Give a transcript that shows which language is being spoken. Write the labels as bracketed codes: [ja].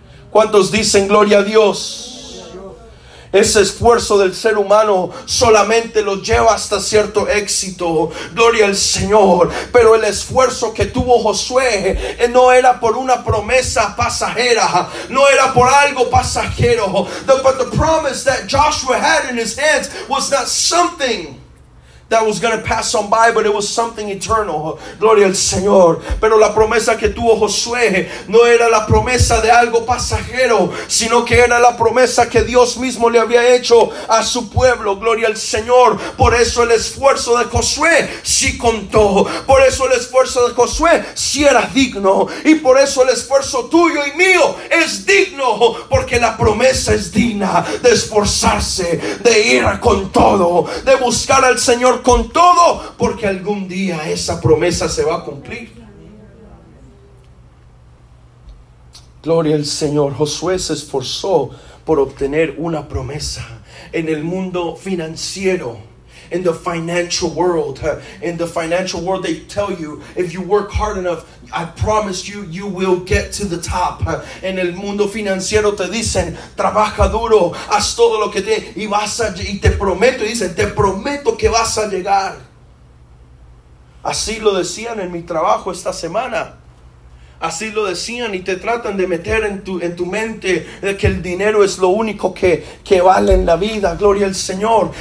[es] ¿Cuántos dicen gloria a Dios? Ese esfuerzo del ser humano solamente lo lleva hasta cierto éxito. Gloria al Señor. Pero el esfuerzo que tuvo Josué no era por una promesa pasajera. No era por algo pasajero. [en] But the promise that Joshua had in his hands was not something that was going to pass on by, but it was something eternal. [es] Gloria al Señor. Pero la promesa que tuvo Josué no era la promesa de algo pasajero, sino que era la promesa que Dios mismo le había hecho a su pueblo. Gloria al Señor. Por eso el esfuerzo de Josué sí contó. Por eso el esfuerzo de Josué sí era digno. Y por eso el esfuerzo tuyo y mío es digno, porque la promesa es digna de esforzarse, de ir con todo, de buscar al Señor con todo, porque algún día esa promesa se va a cumplir. Gloria al Señor. Josué se esforzó por obtener una promesa. En el mundo financiero, [en] in the financial world, in the financial world, they tell you, if you work hard enough, I promise you, you will get to the top. [es] En el mundo financiero te dicen, trabaja duro, haz todo lo que tienes, y te prometo, dicen, te prometo que vas a llegar. Así lo decían en mi trabajo esta semana. Así lo decían y te tratan de meter en tu mente de que el dinero es lo único que vale en la vida. Gloria al Señor.